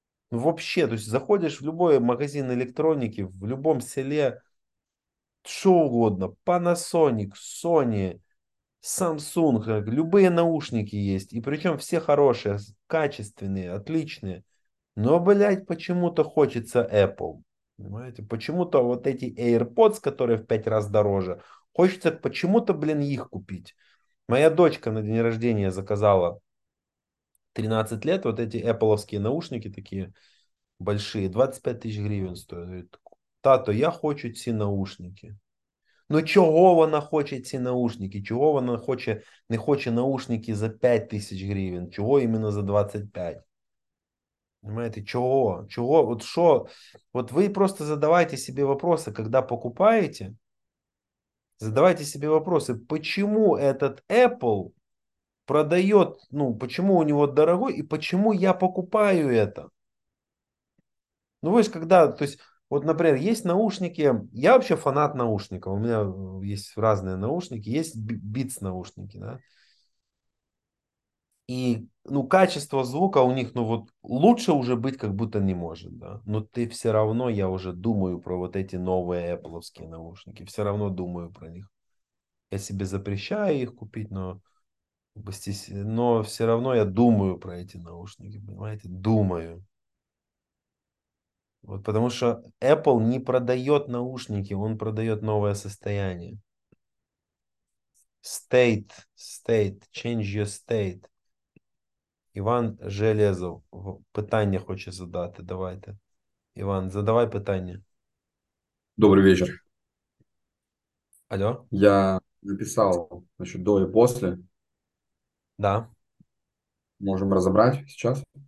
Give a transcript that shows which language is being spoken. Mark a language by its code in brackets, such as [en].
[ru] Вообще, то есть заходишь в любой магазин электроники, в любом селе, что угодно, Panasonic, Sony, Samsung, любые наушники есть, и причем все хорошие, качественные, отличные, но, блядь, почему-то хочется Apple, понимаете, почему-то вот эти AirPods, которые в 5 раз дороже, хочется почему-то, блин, их купить. Моя дочка на день рождения заказала 13 лет, вот эти Apple-овские наушники такие большие, 25 тысяч гривен стоят. [uk] Тато, я хочу ці наушники. Ну, чого вона хоче ці наушники? Чого вона хоче, не хоче наушники за 5 тисяч гривен? Чого іменно за 25? Понимаете, чого? Чого? От що? От ви просто задавайте собі вопроси, коли покупаєте. Задавайте собі вопроси, [ru] почему этот Apple продает, ну, почему у него дорогой и почему я покупаю это? Ну, вы же когда, то есть, вот, например, есть наушники, я вообще фанат наушников, у меня есть разные наушники, есть Beats наушники, да, и, ну, качество звука у них, ну, вот, лучше уже быть как будто не может, да, но ты все равно, я уже думаю про вот эти новые Apple-овские наушники, все равно думаю про них. Я себе запрещаю их купить, но все равно я думаю про эти наушники, понимаете? Думаю. Вот потому что Apple не продает наушники, он продает новое состояние. [en] State, state, change your state. [ru] Иван Железов, питание хочет задать, давайте. Иван, задавай питание. Добрый вечер. Алло. Я написал, значит, до и после. Да. Можем разобрать сейчас?